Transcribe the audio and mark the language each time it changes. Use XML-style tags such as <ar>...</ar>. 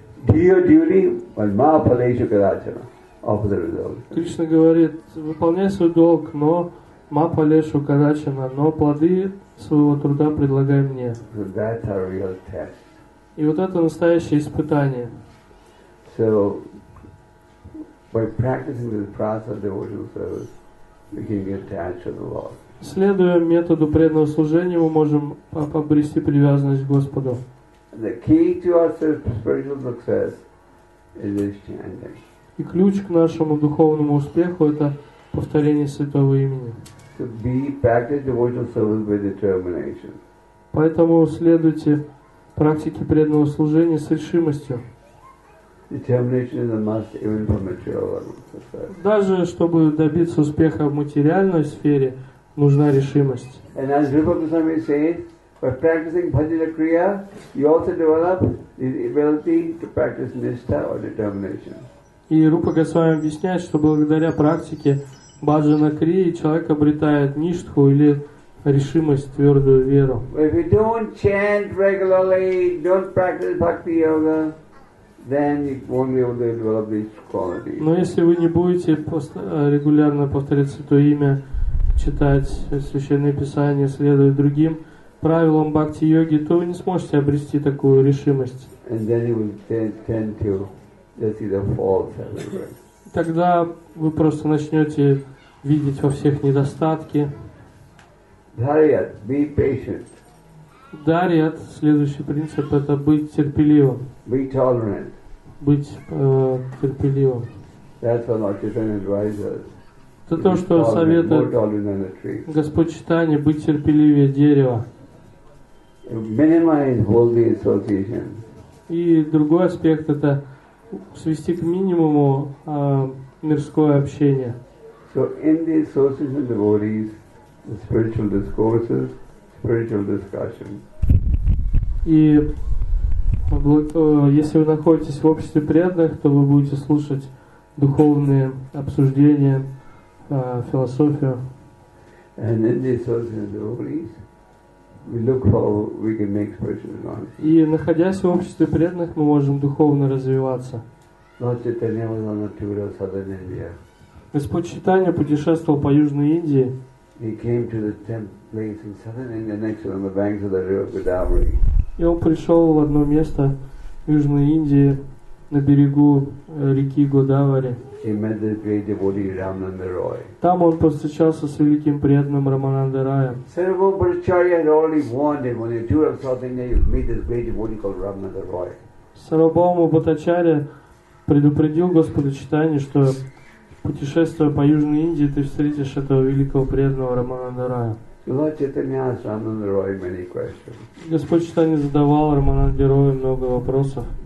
<ru>Кришна говорит, выполняй свой долг, но</ru> <sa>Ма Палешу Кадачана,</sa> <ru>но плоды своего труда предлагай мне.</ru> <en>So that's our real test.</en> <ru>И вот это настоящее испытание.</ru> <en>So, by practicing this process of devotional service, we can get attached to the Lord.</en> <ru>Следуя методу преданного служения, мы можем обрести привязанность к Господу.</ru> <en>The key to our spiritual success is this chanting.</en> <ru>И ключ к нашему духовному успеху – это повторение святого имени.</ru> <en>To be practice devotional service with determination.</en> <ru>Поэтому следуйте практике преданного служения с решимостью.</ru> <en>Determination is a must even for material success.</en> <ru>Даже чтобы добиться успеха в материальной сфере, нужна решимость.</ru> <en>And as Rupa Goswami said, by practicing Bhajana Kriya, you also develop the ability to practice nishtha or determination.</en> <ru>И Рупа Госвами объясняет, что благодаря практике Баджана Крии человек обретает ништху или решимость, твердую веру.</ru> <en>If you don't chant regularly, don't practice bhakti yoga, then you won't be able to develop these qualities.</en> <ru>Но если вы не будете регулярно повторять святое имя, читать священные писания, следовать другим правилам бхакти йоги, то вы не сможете обрести такую решимость.</ru> <en>And then you will tend to just see the faults everywhere.</en> <ru>Тогда вы просто начнете видеть во всех недостатки.</ru> <en>Дарьят, be patient.</en> <ru>Дарьят, следующий принцип, это быть терпеливым.</ru> <en>Be tolerant.</en> <ru>Быть терпеливым.</ru> <en>That's what Lord Chaitanya advises.</en> <ru>Это то, что советует Господь Чайтанья, быть терпеливее дерева.</ru> <en>Minimize worldly association.</en> <ru>И другой аспект, это свести к минимуму мирское общение.</ru> <en>So in the association of devotees, the spiritual discourses, spiritual discussion.</en> <ru>И если вы находитесь в обществе преданных, то вы будете слушать духовные обсуждения, философию.</ru> <en>And in the association of devotees, we look for we can make spiritual advances.</en> <ru>И находясь в обществе преданных, мы можем духовно развиваться.</ru> <en>Lord Chaitanya was on a tour of southern India.</en> <ru>Господь Читания путешествовал по Южной Индии.</ru> <en>He came to the temple place in southern India, next to on the banks of the river Godavari.</en> <ru>И он пришел в одно место в Южной Индии на берегу реки Годавари.</ru> <en>He met the great devotee Ramananda Roy.</en> <ru>Там он повстречался с великим преданным Рамананда Раем.</ru> <en>Several Bhattacharya had already warned him on a tour of southern India, you meet this great devotee called Ramananda Roy.</en> <ru>Сарвабхаума Бхаттачарья предупредил Господа Читания, что путешествуя по Южной Индии, ты встретишь этого великого преданного Рамананда Рая. Господь Читания задавал Рамананде Рою много вопросов.</ru>